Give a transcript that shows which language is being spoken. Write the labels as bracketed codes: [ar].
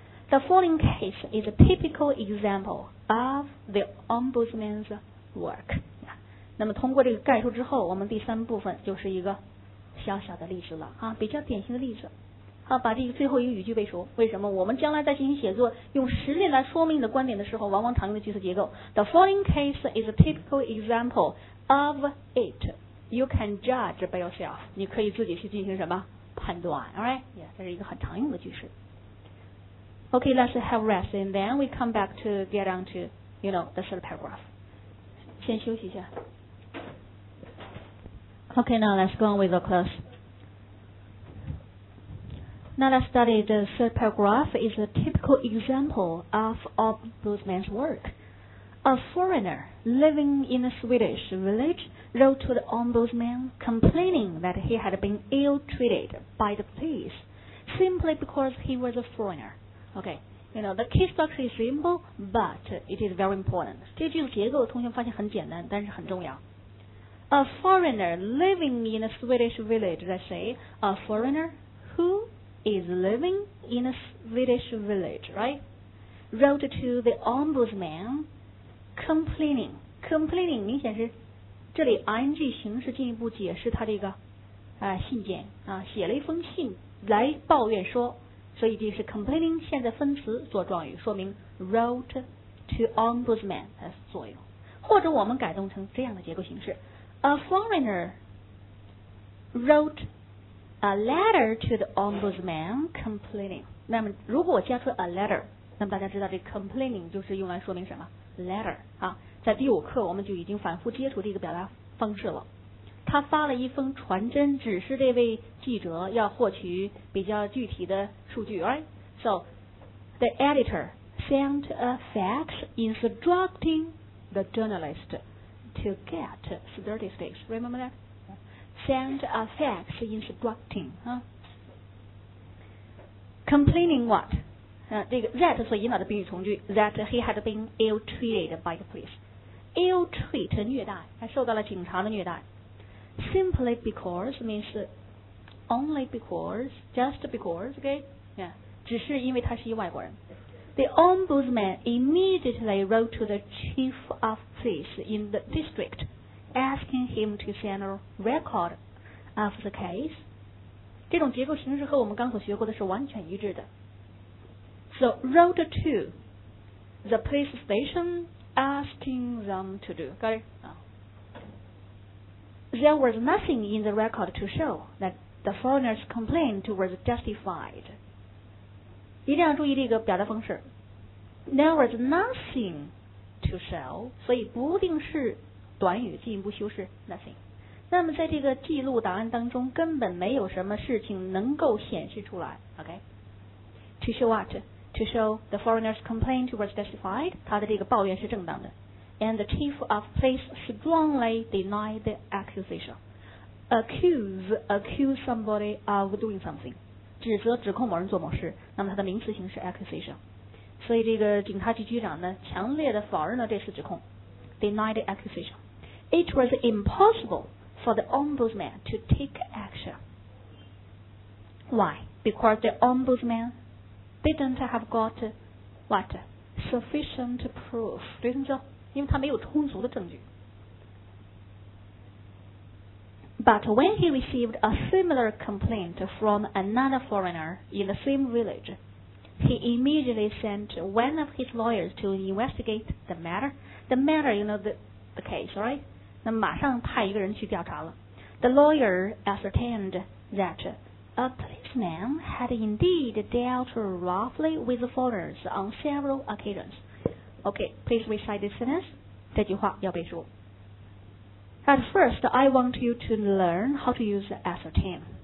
[en] The following case is a typical example of the ombudsman's work. [zh] 那么通过这个概述之后，我们第三部分就是一个小小的例子了啊，比较典型的例子。好，把这个最后一个语句背熟。为什么我们将来在进行写作用实例来说明你的观点的时候，往往常用的句子结构 [en] The following case is a typical example of it. You can judge by yourself. [zh] 你可以自己去进行什么判断， [en] alright? [zh] Yeah, 这是一个很常用的句式。 [en] OK, let's have rest and then we come back to get on to, you know, the third paragraph. [zh] 先休息一下。 [en] OK, now let's go on with the class. Now let's study the third paragraph is a typical example of ombudsman's work. A foreigner living in a Swedish village wrote to the ombudsman complaining that he had been ill-treated by the police simply because he was a foreigner. Okay, you know, the key structure is simple, but it is very important. [zh] 这句的结构同学们发现很简单，但是很重要。 [en] A foreigner living in a Swedish village, let's say, a foreigner who is living in a Swedish village, right? Wrote to the ombudsman complaining. [zh] Complaining 明显是这里 ing 形式进一步解释他这个信件啊，写了一封信来抱怨说，所以这是 complaining 现在分词做状语，说明 [en] wrote to ombudsman [zh] 的作用。或者我们改动成这样的结构形式 [en] ：A foreigner wrote a letter to the ombudsman complaining。 [zh] 那么如果我加出 a letter， 那么大家知道这 complaining 就是用来说明什么 letter 啊？在第五课我们就已经反复接触这个表达方式了。他发了一封传真，指示这位记者要获取比较具体的数据， right? [en] So the editor sent a fax instructing the journalist to get statistics. Remember that? Sent a fax instructing, complaining what? [zh] 这个 [en] that [zh] 所引导的宾语从句 [en] that he had been ill-treated by the police. [zh] Ill-treat 虐待，还受到了警察的虐待。 [en] Simply because means only because, just because, okay? [zh] Yeah, 只是因为他是一外国人。 [en] The ombudsman immediately wrote to the chief of police in the district, asking him to send a record of the case. [zh] 这种结构形式和我们刚所学过的是完全一致的。 [en] So wrote to the police station. Asking them to do. Got it? There was nothing in the record to show that the foreigner's complaint was justified. [zh] 一定要注意这个表达方式。 [en] There was nothing to show, [zh] 所以不定式短语进一步修饰 nothing. 那么在这个记录档案当中根本没有什么事情能够显示出来。 [en] Okay? To show what? To show the foreigner's complaint was justified, [zh] 他的这个抱怨是正当的。 [en] And the chief of police strongly denied the accusation. Accuse somebody of doing something. [zh] 指责指控某人做某事，那么他的名词形式 [en] accusation. [zh] 所以这个警察局局长呢，强烈的否认了这次指控。 [en] Denied the accusation. It was impossible for the ombudsman to take action. Why? Because the ombudsmandidn't have got what? Sufficient proof. [zh] 对不对？因为他没有充足的证据。 [en] But when he received a similar complaint from another foreigner in the same village, he immediately sent one of his lawyers to investigate the matter. The matter, you know, the case, right? [zh] 那马上派一个人去调查了。 [en] The lawyer ascertained that a policeman had indeed dealt roughly with the foreigners on several occasions. Okay, please recite this sentence. [zh] 这句话要背熟。 [en] At first, I want you to learn how to use ascertain.